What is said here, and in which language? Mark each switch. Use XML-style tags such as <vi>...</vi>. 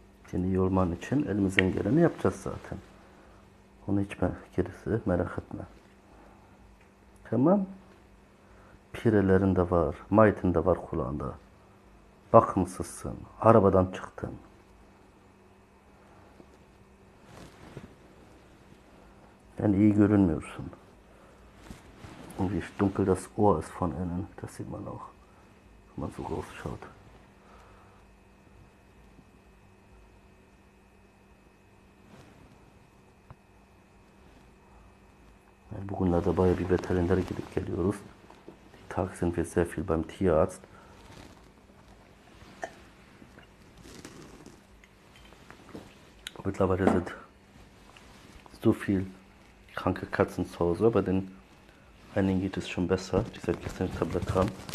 <tr>Seni yorman için elimizden geleni yapacağız zaten. Onu hiç gerisi merak etme. Tamam. Pirelerin de var, mayitin de var kulağında. Bakımsızsın, arabadan çıktın. Yani iyi görünmüyorsun.</tr> <de>Und wie dunkel das Ohr ist von innen, das sieht man auch, wenn man so groß schaut.</de> <tr>Bugünlerde bayağı bir veterinere gidip geliyoruz.</tr> <de>Tag sind wir sehr viel beim Tierarzt. Mittlerweile sind so viel kranke Katzen zu Hause, bei den einigen geht es schon besser, die seit gestern die Tablette haben.</de>